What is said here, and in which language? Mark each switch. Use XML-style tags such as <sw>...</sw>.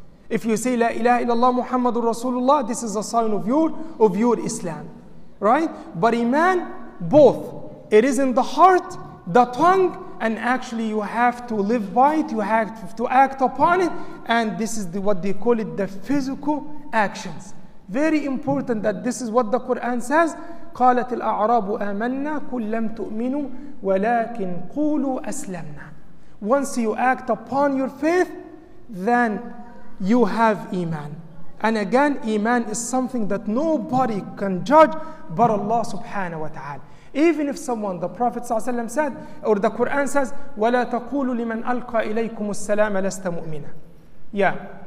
<en>If you say La ilaha illallah Muhammadur Rasulullah, this is a sign of your Islam. Right? But iman, both. It is in the heart, the tongue, and actually you have to live by it, you have to act upon it, and this is what they call it, the physical actions. Very important that this is what the Quran says.</en> <ar>قالت الأعراب آمنا كل لم تؤمنوا ولكن قولوا أسلمنا.</ar> <en>Once you act upon your faith, then you have iman. And again, iman is something that nobody can judge but Allah subhanahu wa ta'ala. Even if someone, the Prophet ﷺ said, or the Quran says,</en> <ar>وَلَا تَقُولُ لِمَنْ أَلْقَى إِلَيْكُمُ السَّلَامَ لَسْتَ مُؤْمِنًا.</ar> <en>Yeah.</en>